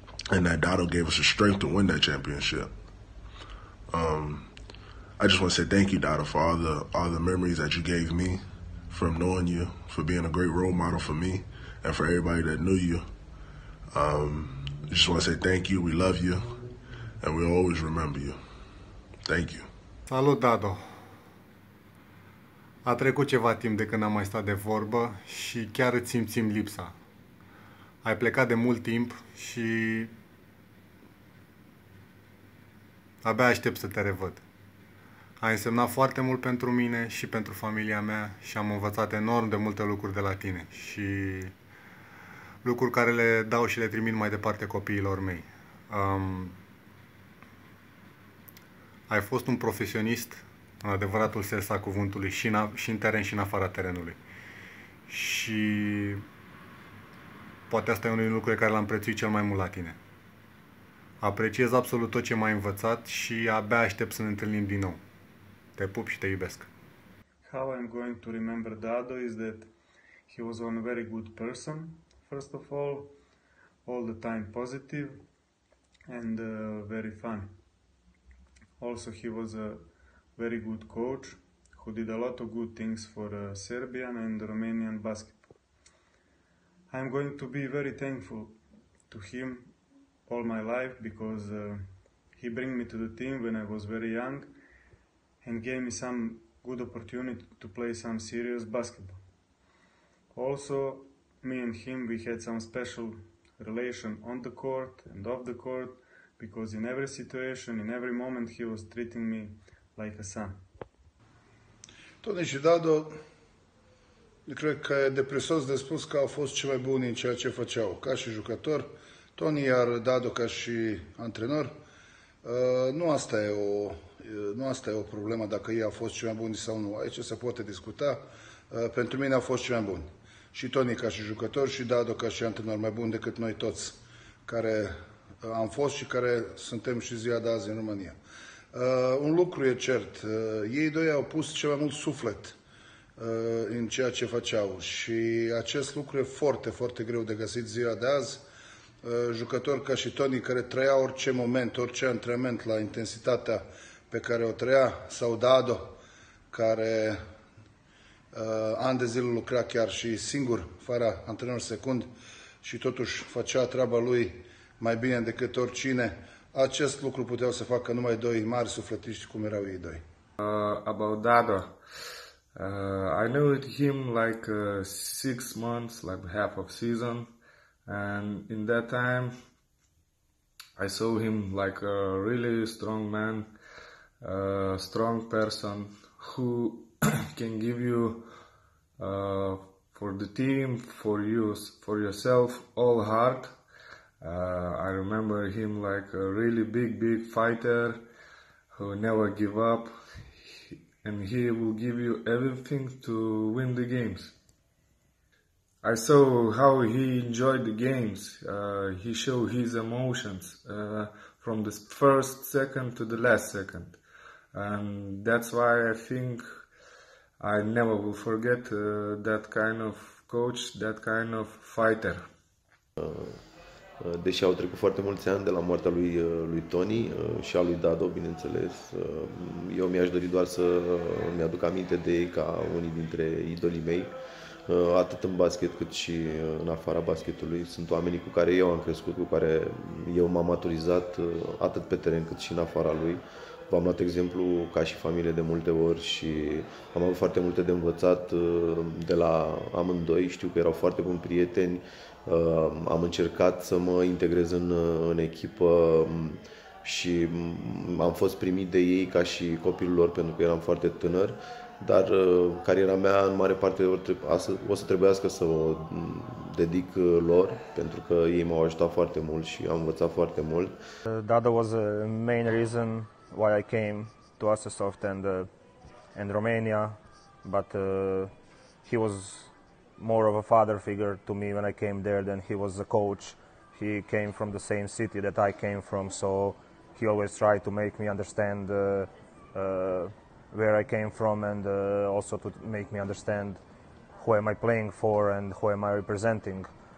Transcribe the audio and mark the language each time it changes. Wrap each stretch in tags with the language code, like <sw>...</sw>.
<en>And that Dotto gave us the strength to win that championship. I just want to say thank you, Dotto, for all the memories that you gave me, from knowing you, for being a great role model for me, and for everybody that knew you. Just want to say thank you, we love you, and we'll always remember you. Thank you.</en> <ro>Salut, Dado. A trecut ceva timp de când am mai stat de vorbă și chiar îți simțim lipsa. Ai plecat de mult timp și abia aștept să te revăd. Ai însemnat foarte mult pentru mine și pentru familia mea și am învățat enorm de multe lucruri de la tine și lucruri care le dau și le trimit mai departe copiilor mei. Ai fost un profesionist, în adevăratul sens al cuvântului, și în teren și în afara terenului. Și poate asta e unul din lucrurile care l-am prețuit cel mai mult la tine. Apreciez absolut tot ce m-ai învățat și abia aștept să ne întâlnim din nou. Te pup și te iubesc.</ro> <en>How I'm going to remember Dado is that he was a very good person. First of all the time positive and very fun. Also, he was a very good coach who did a lot of good things for Serbian and Romanian basketball. I'm going to be very thankful to him all my life because he bring me to the team when I was very young and gave me some good opportunity to play some serious basketball. Also, me and him, we had some special relation on the court and off the court, because in every situation, in every moment, he was treating me like a son.</en> <ro>Tony și Dado, cred că e depresos de spus că au fost cei mai buni în ceea ce făceau, ca și jucător, Tony, iar Dado ca și antrenor. Nu asta e o problemă dacă ei au fost cei mai buni sau nu. Aici se poate discuta. Pentru mine au fost cei mai buni. Și Tony ca și jucător și Dado ca și antrenor, mai bun decât noi toți care am fost și care suntem și ziua de azi în România. Un lucru e cert, ei doi au pus cel mai mult suflet în ceea ce făceau. Și acest lucru e foarte, foarte greu de găsit ziua de azi. Jucători ca și Tony, care trăia orice moment, orice antrenament la intensitatea pe care o trăia, sau Dado, care an de zile lucra chiar și singur, fără antrenor secund, și totuși făcea treaba lui mai bine decât oricine. Acest lucru puteau să facă numai doi mari sufletiști cum erau ei doi.</ro> <en>About Dado, I knew him like 6 months, like half of season, and in that time I saw him like a really strong man, a strong person who can give you for the team, for you, for yourself, all heart. I remember him like a really big, big fighter who never give up, and he will give you everything to win the games. I saw how he enjoyed the games. He showed his emotions from the first second to the last second. And that's why I think I never will forget that kind of coach, that kind of fighter.</en> <ro>Deși au trecut foarte mulți ani de la moartea lui Tony și a lui Dado, bineînțeles, eu mi-aș dori doar să mi-aduc aminte de ei ca unii dintre idolii mei, atât în basket cât și în afara basketului. Sunt oamenii cu care eu am crescut, cu care eu m-am maturizat, atât pe teren cât și în afara lui. V-am luat exemplu ca și familie de multe ori și am avut foarte multe de învățat de la amândoi. Știu că erau foarte buni prieteni. Am încercat să mă integrez în echipă și am fost primit de ei ca și copilul lor, pentru că eram foarte tânăr, dar cariera mea în mare parte o să trebuiască să o dedic lor, pentru că ei m-au ajutat foarte mult și am învățat foarte mult.</ro> <en>Dado was the main reason why I came to Asasoft and Romania, but he was more of a father figure to me when I came there than he was a coach. He came from the same city that I came from, so he always tried to make me understand where I came from, and also to make me understand who am I playing for and who am I representing.</en>